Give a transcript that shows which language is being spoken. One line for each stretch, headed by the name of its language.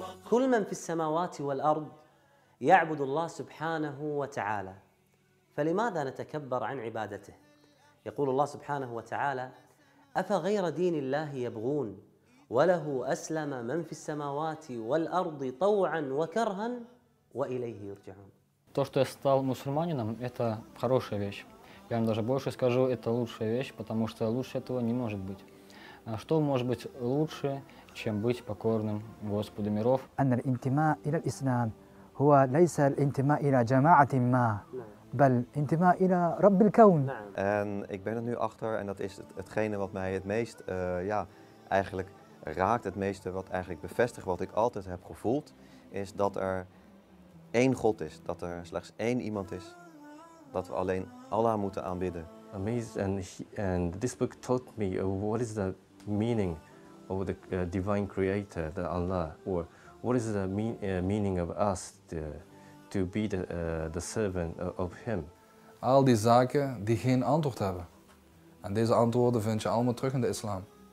Arabic: كل من في السماوات والأرض يعبد الله سبحانه وتعالى فلماذا نتكبر عن عبادته؟ يقول الله سبحانه وتعالى أفغير دين الله يبغون وله أسلم من في السماوات والأرض طوعا وكرها وإليه يرجعون.
Russian: То, что я стал мусульманином, это хорошая вещь. Я вам даже больше скажу, это лучшая вещь, потому что лучше этого не может быть. Что может быть лучше, чем быть покорным Господу миров?
Arabic: أن الانتماء إلى الإسلام هو ليس الانتماء إلى جماعة ما.
Dutch: En ik ben er nu achter, en dat is hetgene wat mij het meest eigenlijk raakt, het meeste wat eigenlijk bevestigt wat ik altijd heb gevoeld, is dat er één God is, dat er slechts één iemand is, dat we alleen Allah moeten aanbidden.
English: Amazed, and this book taught me what is the meaning of the divine creator, the Allah, or what is the meaning of us, the to be the servant of him.
Dutch: Al die zaken die geen antwoord hebben. En deze antwoorden vind je allemaal terug in de islam.